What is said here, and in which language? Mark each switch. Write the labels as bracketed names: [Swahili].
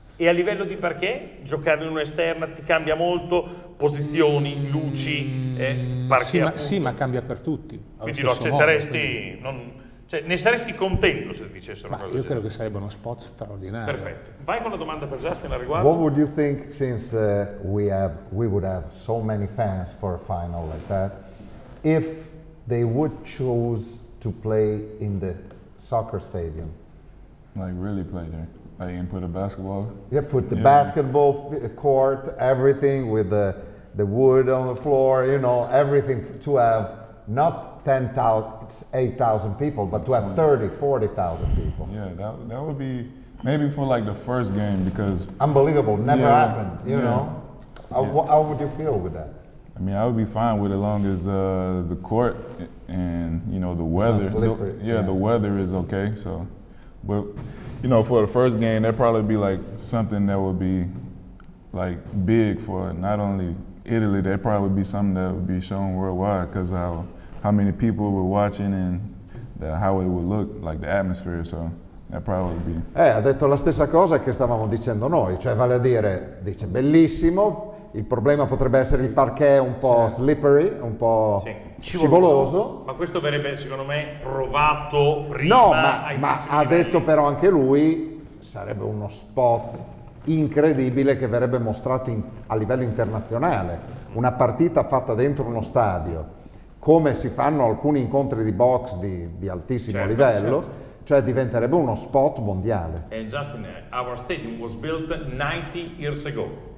[Italian] E a livello di parquet, giocare in un'esterna ti cambia molto posizioni, luci, parquet? Sì, ma cambia per tutti. Quindi lo accetteresti? Cioè, ne saresti contento se dicessero una cosa? Io credo che sarebbe uno spot straordinario. Perfetto. Vai con la domanda per Justin al riguardo. [English] What would you think, since we would have so many fans for a final like that, if they would choose to play in the soccer stadium? Like really play there? Like you can put a basketball? Yeah, put the basketball court, everything with the wood on the floor, you know, everything to have. Not 8,000 people, but to have 30,000-40,000 people. Yeah, that would be maybe for like the first game, because unbelievable, never happened. You know, how would you feel with that? I mean, I would be fine with it, as long as the court and you know the weather. The weather is okay. So, but you know, for the first game, that'd probably be like something that would be like big for not only Italy. That probably would be something that would be shown worldwide, because how many people were watching and how it would look like the atmosphere, so that probably would be... [Italian] Ha detto la stessa cosa che stavamo dicendo noi, cioè vale a dire, dice bellissimo, il problema potrebbe essere il parquet un po' slippery, un po' scivoloso. Ma questo verrebbe, secondo me, provato prima. No, ma ha detto però anche lui, sarebbe uno spot incredibile che verrebbe mostrato a livello internazionale, una partita fatta dentro uno stadio, come si fanno alcuni incontri di box di altissimo livello, cioè diventerebbe uno spot mondiale. [English] And Justin, our stadium was built 90 years ago.